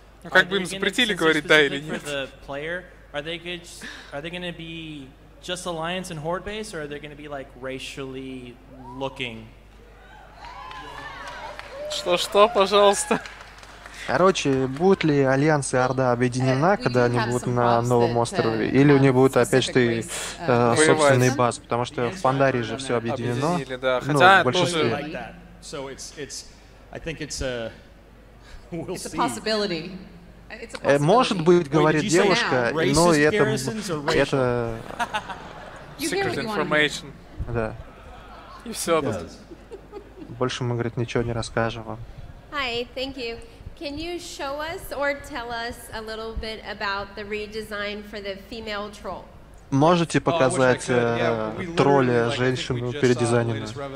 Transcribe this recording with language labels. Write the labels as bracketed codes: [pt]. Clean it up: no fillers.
[ru] Как бы им запретили говорить да или нет? [en] Just alliance and horde base, or are they going to be like racially looking? [ru] Что, пожалуйста. Короче, будут ли альянс и орда объединена, когда они будут на новом острове, или у них будут опять что и собственные базы, потому что в Пандарии же все объединено. Объединили, да. Хотя большинство. [en] So it's, I think it's a. We'll see. It's a possibility. [ru] Может быть, говорит девушка, но это... [en] Secret information. [ru] Да. И все тут. Больше мы, говорит, ничего не расскажем вам. [en] Hi, thank you. Can you show us or tell us a little bit about the redesign for the female troll? [ru] Можете показать тролля, женщину, передизайненную?